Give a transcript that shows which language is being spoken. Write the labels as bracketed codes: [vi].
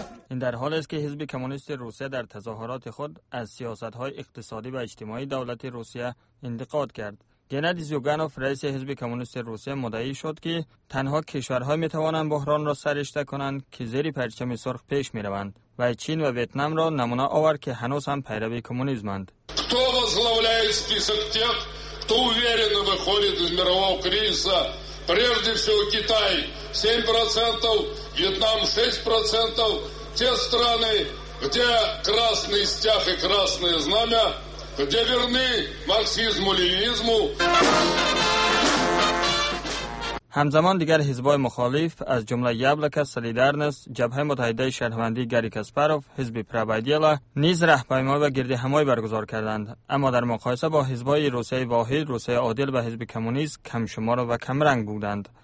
[fa] این در حال است که حزب کمونیست روسیه در تظاهرات خود از سیاست‌های اقتصادی و اجتماعی دولت روسیه انتقاد کرد. گنادی زیوگانوف، رئیس حزب کمونیست روسیه، مدعی شد که تنها کشورها میتوانند بحران را سرشته کنند که زیر پرچم سرخ پیش میروند و چین و ویتنام را نمونه آورد که هنوز هم پیروی کمونیسمند. [ru] Кто возглавляет список тех, кто уверенно выходит из мирового кризиса? Прежде всего Китай 7%, Вьетнам 6%. Те страны, где красный стяг и красное знамя, где верны марксизму-ленинизму. [fa] همزمان دیگر حزبای مخالف از جمله یبلک سلیدارنس، جبهه متحده شهروندی گری کاسپاروف، حزب پرابایدیلا نیز راهپیمایی و گرد همایی برگزار کردند. اما در مقایسه با حزبای روسیه واحد، روسیه عادل و حزب کمونیست کم شمار و کم رنگ بودند.